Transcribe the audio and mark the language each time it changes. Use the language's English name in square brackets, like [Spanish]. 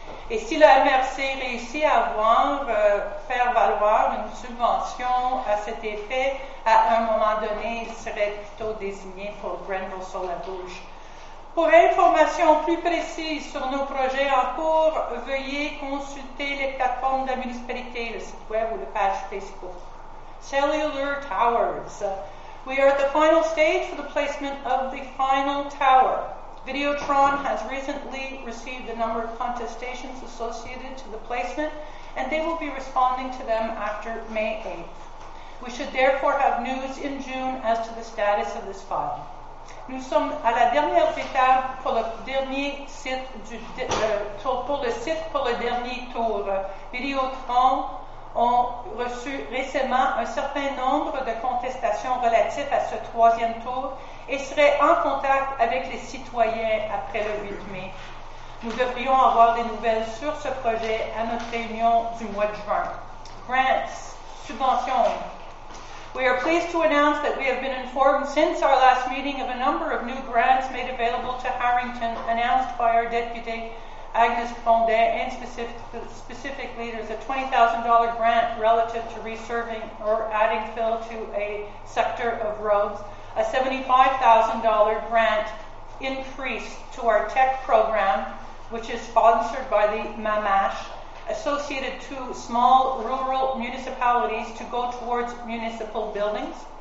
[French] Et si la MRC réussit à faire valoir une subvention à cet effet, à un moment donné, il serait plutôt désigné pour Grenville-sur-la-Rouge. Pour information plus précise sur nos projets en cours, veuillez consulter les plateformes de la municipalité, le site web ou la page Facebook. [English] Cellular Towers. We are at the final stage for the placement of the final tower. Videotron has recently received a number of contestations associated to the placement, and they will be responding to them after May 8th. We should therefore have news in June as to the status of this file. [French] Nous sommes à la dernière étape pour le dernier site du pour le site pour le dernier tour. Videotron ont reçu récemment un certain nombre de contestations relatives à ce troisième tour et seraient en contact avec les citoyens après le 8 mai. Nous devrions avoir des nouvelles sur ce projet à notre réunion du mois de juin. [English] Grants, subventions. We are pleased to announce that we have been informed since our last meeting of a number of new grants made available to Harrington, announced by our deputy, Agnes Fondet, and specifically there's a $20,000 grant relative to reserving or adding fill to a sector of roads, a $75,000 grant increase to our tech program, which is sponsored by the MAMASH, associated to small rural municipalities to go towards municipal buildings,